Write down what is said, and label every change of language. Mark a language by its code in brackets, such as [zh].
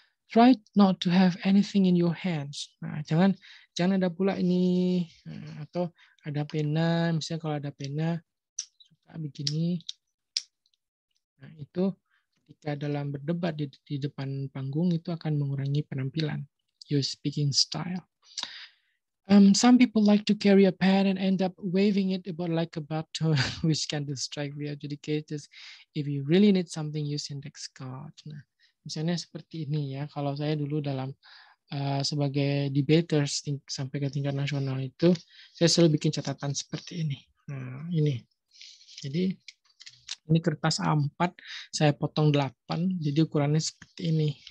[en] Try not to have anything in your hands. [id] Nah, jangan ada pula ini atau ada pena. Misalnya kalau ada pena, suka begini. Nah, itu ketika dalam berdebat di depan panggung itu akan mengurangi penampilan. [en] Your speaking style. Some people like to carry a pen and end up waving it about like a baton, which can distract the adjudicators. If you really need something, use index card. [id] Nah, misalnya seperti ini ya. Kalau saya dulu dalam sebagai debater sampai ke tingkat nasional itu, saya selalu bikin catatan seperti ini. Nah, ini. Jadi ini kertas A4, saya potong 8, jadi ukurannya seperti ini.